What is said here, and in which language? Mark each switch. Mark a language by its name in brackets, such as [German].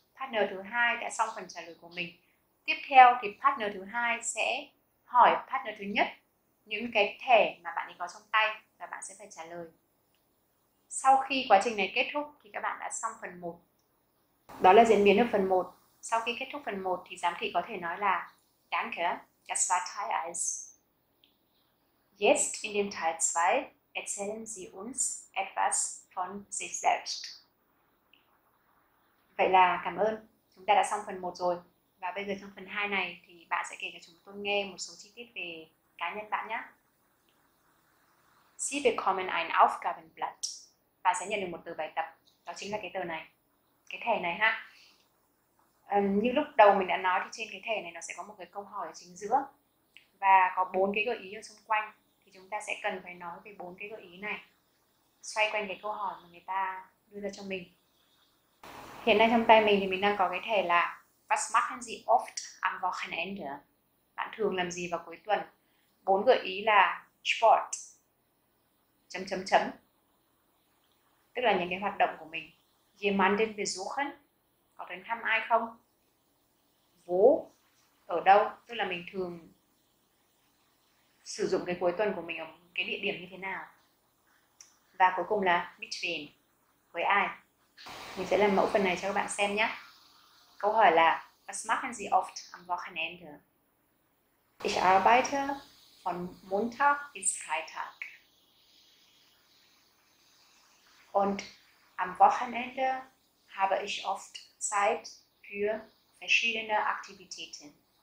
[Vietnamese] Partner thứ hai đã xong phần trả lời của mình. Tiếp theo thì partner thứ hai sẽ hỏi partner thứ nhất những cái thẻ mà bạn ấy có trong tay và bạn sẽ phải trả lời. Sau khi quá trình này kết thúc thì các bạn đã xong phần 1. Đó là diễn biến ở phần 1. Sau khi kết thúc phần 1 thì giám thị có thể nói là [German] Danke, das war Teil 1. Jetzt in dem Teil 2 erzählen Sie uns etwas von sich selbst. [Vietnamese] Vậy là cảm ơn. Chúng ta đã xong phần 1 rồi. Và bây giờ trong phần 2 này thì bạn sẽ kể cho chúng tôi nghe một số chi tiết về cá nhân bạn nhé. [German] Sie bekommen ein Aufgabenblatt. [Vietnamese] Bạn sẽ nhận được một tờ bài tập, đó chính là cái tờ này, cái thẻ này ha. Như lúc đầu mình đã nói thì trên cái thẻ này nó sẽ có một cái câu hỏi ở chính giữa và có bốn cái gợi ý ở xung quanh, thì chúng ta sẽ cần phải nói về bốn cái gợi ý này xoay quanh cái câu hỏi mà người ta đưa ra cho mình. Hiện nay trong tay mình thì mình đang có cái thẻ là [German] Was machen Sie oft am Wochenende? [Vietnamese] Bạn thường làm gì vào cuối tuần? Bốn gợi ý là Sport chấm chấm chấm, tức là những cái hoạt động của mình. [German] Jemanden besuchen, [Vietnamese] có đến thăm ai không? Wo, ở đâu, tức là mình thường sử dụng cái cuối tuần của mình ở cái địa điểm như thế nào. Và cuối cùng là [German] mit wem, [Vietnamese] với ai. Mình sẽ làm mẫu phần này cho các bạn xem nhé. Câu hỏi là [German] Was machen Sie oft am Wochenende? Ich arbeite von Montag bis Freitag. Und am Wochenende habe ich oft Zeit für verschiedene Aktivitäten.